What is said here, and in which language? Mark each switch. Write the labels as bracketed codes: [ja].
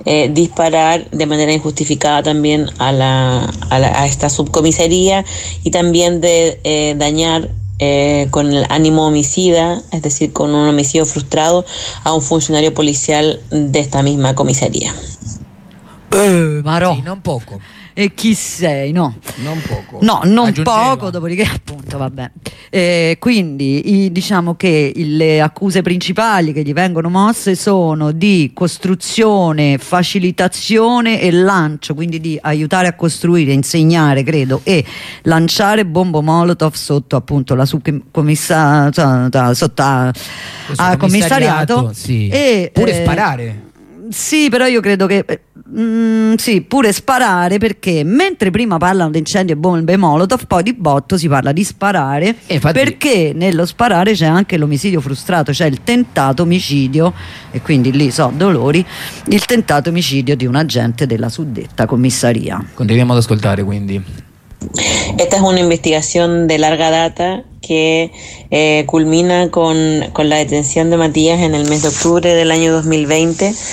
[es] disparar de manera injustificada también a esta subcomisaría, y también de dañar con el ánimo homicida, es decir, con un homicidio frustrado, a un funcionario policial de esta misma comisaría. [it] Marò. Sí, non poco. E chi sei, no? Non poco. No, non poco, dopodiché appunto, vabbè. Quindi, diciamo che le accuse principali che gli vengono mosse sono di costruzione, facilitazione e lancio, quindi di aiutare a costruire, insegnare, credo, e lanciare bombo molotov sotto appunto la commissariato. Sì. E pure sparare. Sì, però io credo che sì, pure sparare, perché mentre prima parlano di incendio e bombe molotov, poi di botto si parla di sparare, infatti, perché nello sparare c'è anche l'omicidio frustrato, cioè il tentato omicidio, e quindi lì so dolori, il tentato omicidio di un agente della suddetta commissaria. Continuiamo ad ascoltare quindi. [es] Esta es una investigación de larga data que culmina con la detención de Matías en el mes de octubre del año 2020.